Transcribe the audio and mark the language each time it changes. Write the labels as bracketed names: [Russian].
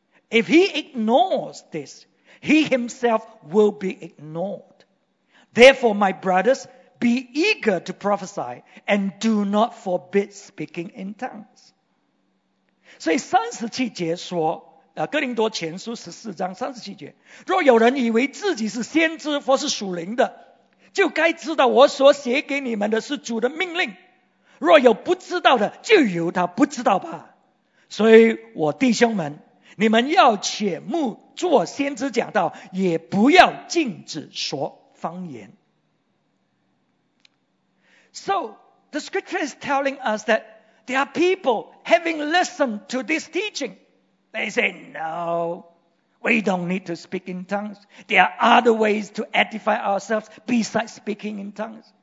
[English] If he ignores this, he himself will be ignored. Therefore, my brothers, be eager to prophesy and do not forbid speaking in tongues. [Chinese] 所以37节说，哥林多前书14章37节，若有人以为自己是先知或是属灵的，就该知道我所写给你们的是主的命令。若有不知道的，就由他不知道吧。所以我弟兄们，你们要且慕做先知讲道，也不要禁止说方言。 [English] So the scripture is telling us that there are people having listened to this teaching. They say, no, we don't need to speak in tongues. There are other ways to edify ourselves besides speaking in tongues.